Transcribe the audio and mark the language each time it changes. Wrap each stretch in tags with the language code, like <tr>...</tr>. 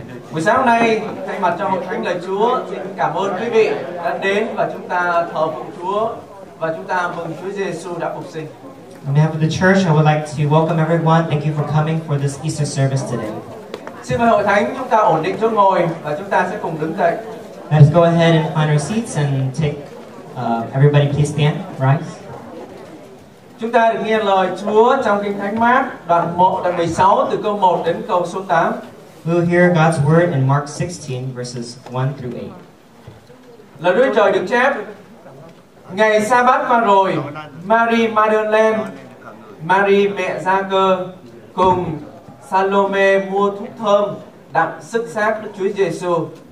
<vi>Buổi sáng hôm nay, thay mặt cho Hội Thánh Lời Chúa, xin cảm ơn quý vị đã đến và chúng ta thờ phụng Chúa và chúng ta mừng Chúa Giêsu đã phục sinh.</vi> <en>On behalf of the church, I would like to welcome everyone. Thank you for coming for this Easter service today.</en> <vi>Xin mời Hội Thánh chúng ta ổn định chỗ ngồi và chúng ta sẽ cùng đứng dậy.</vi> <en>Let's go ahead and find our seats and take everybody please stand, rise.</en> <vi>Chúng ta được nghe lời Chúa trong Kinh Thánh Mác đoạn 1 đoạn 16 từ câu 1 đến câu số 8.</vi> <en>We'll hear God's word in Mark 16 verses 1 through 8.</en> <vi>Lời Đức Trời được chép: Ngày Sa-bát qua rồi, Mary Magdalene, Mary mẹ Gia-cơ cùng Salome mua thuốc thơm đặng sức xác Đức Chúa Giêsu.</vi>